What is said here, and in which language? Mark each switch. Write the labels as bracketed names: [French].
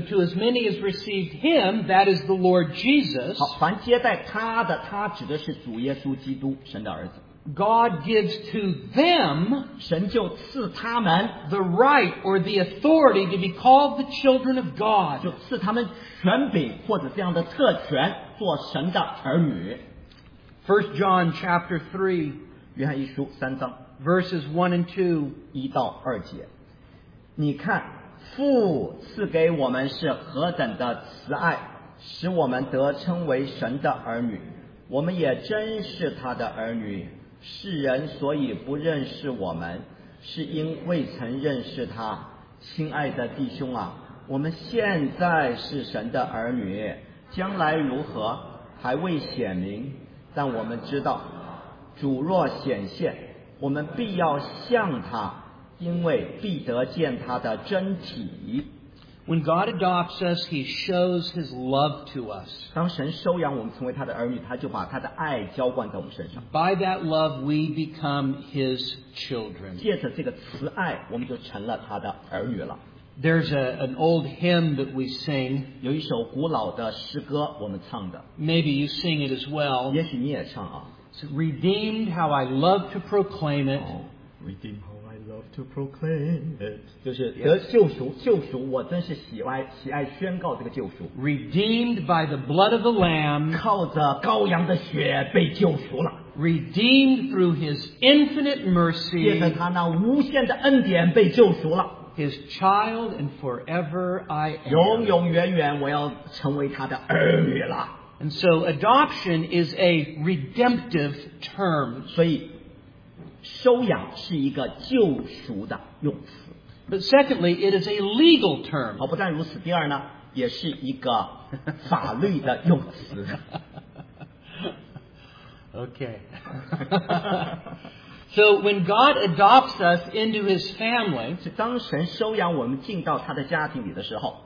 [English] to as many as received him, that is the Lord Jesus. [Chinese] 好，凡接待他的，他指的是主耶稣基督，神的儿子。 [English] God gives to them [Chinese] 神就赐他们, [English] the right or the authority to be called the children of God. [Chinese] 就赐他们权柄或者这样的特权做神的儿女。 [English] 1 John chapter 3, [Chinese] 约翰一书三章, [English] verses 1 and 2, [Chinese] 1到2节, 你看父赐给我们是何等的慈爱, 使我们得称为神的儿女, 我们也真是他的儿女。世人所以不认识我们, 是因未曾认识他。亲爱的弟兄啊, 我们现在是神的儿女, 将来如何, 还未显明, 但我们知道, 主若显现, 我们必要向他, 因为必得见他的真体。 [English] When God adopts us, He shows His love to us. [Chinese] 当神收养我们成为他的儿女, 他就把他的爱浇灌在我们身上。 [English] By that love, we become His children. [Chinese] 借着这个慈爱, 我们就成了他的儿女了。 [English] There's an old hymn that we sing. [Chinese] 有一首古老的诗歌, 我们唱的。 [English] Maybe you sing it as well. [Chinese] 也许你也唱啊。 [English] It's Redeemed, How I Love to Proclaim It. Redeemed. To proclaim it. [Chinese] 就是得救赎, 救赎, 我真是喜爱, 喜爱宣告这个救赎, [English] redeemed by the blood of the Lamb, [Chinese] 靠着羔羊的血被救赎了, [English] redeemed through His infinite mercy, [Chinese] 借着他那无限的恩典被救赎了, [English] His child and forever I am. [Chinese] 永永远远我要成为他的儿女了。 [English] And so adoption is a redemptive term. [Chinese] 所以, 收养是一个救赎的用词。 [English] But secondly, it is a legal term. [Chinese] 好,不但如此, 第二呢, 也是一个法律的用词。 [English] Okay. So when God adopts us into His family, [Chinese] 当神收养我们进到他的家庭里的时候,